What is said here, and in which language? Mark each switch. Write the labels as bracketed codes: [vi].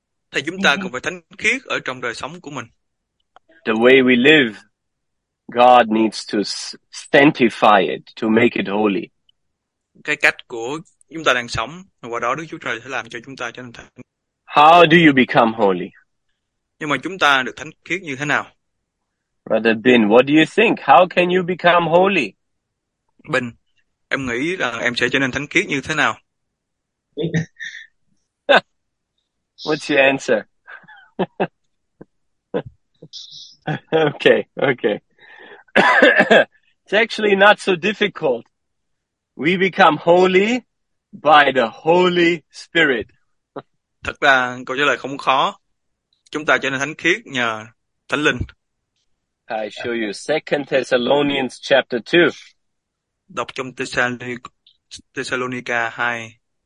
[vi] Thì chúng ta cần phải thánh khiết ở trong đời sống của mình. [en] the way we live, God needs to sanctify it, to make it holy. [vi] Cái cách của chúng ta đang sống, và đó Đức Chúa Trời sẽ làm cho chúng ta trở nên thánh. [en] How do you become holy? [vi] Nhưng mà chúng ta được thánh khiết như thế nào? [en] Brother Bin, what do you think? How can you become holy? [vi] Bin, em nghĩ là em sẽ trở nên thánh khiết như thế nào? [en] What's your answer? Okay. It's actually not so difficult. We become holy by the Holy Spirit. [vi] Thật ra câu trả lời không khó. Chúng ta trở nên thánh khiết nhờ Thánh Linh. [en] I show you 2 Thessalonians chapter 2. [vi] Đọc trong Thessalonica 2.